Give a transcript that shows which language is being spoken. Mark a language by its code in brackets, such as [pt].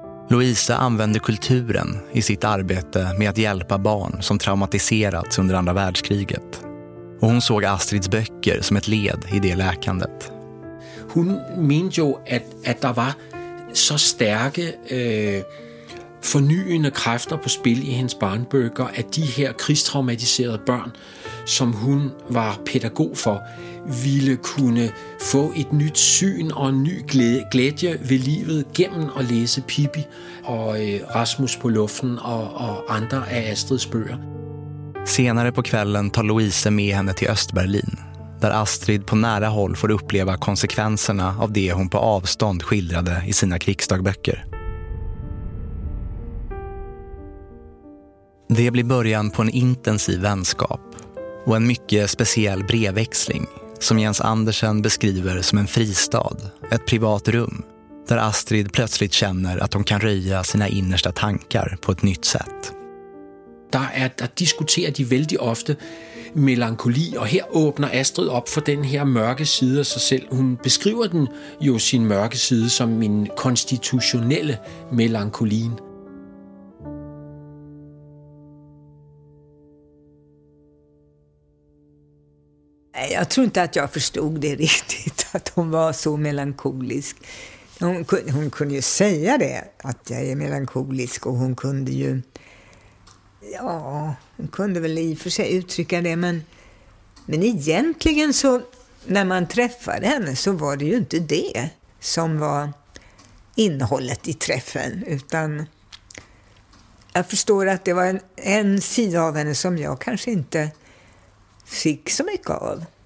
[sv] Louise använder kulturen i sitt arbete med att hjälpa barn som traumatiserats under andra världskriget. Och hon såg Astrids böcker som ett led i det läkandet. Hon minns ju att det var så starka [da] fornyende kræfter på spil i hendes barnbøger, at de her krigstraumatiserede børn, som hun var pædagog for, ville kunne få et nyt syn og en ny glæde ved livet gennem at læse Pippi og Rasmus på luften og andre af Astrids bøger. [sv] Senere på kvällen tar Louise med henne till Östberlin, där Astrid på nära håll får uppleva konsekvenserna av det hon på avstånd skildrade i sina krigsdagböcker. Det blir början på en intensiv vänskap och en mycket speciell brevväxling som Jens Andersen beskriver som en fristad, ett privat rum, där Astrid plötsligt känner att hon kan röja sina innersta tankar på ett nytt sätt. [da] Der diskuterer de vældig ofte melankoli, og her åbner Astrid op for den her mørke side af sig selv. Hun beskriver den jo sin mørke side som en konstitutionelle melankolin. Jeg tror ikke, at jeg forstod det rigtigt, at hun var så melankolisk. Hun kunne jo sige det, at jeg er melankolisk, og hun kunne jo... [sv] Ja, hon kunde väl i och för sig uttrycka det, men egentligen så när man träffade henne så var det ju inte det som var innehållet i träffen, utan jag förstår att det var en sida av henne som jag kanske inte fick så mycket av.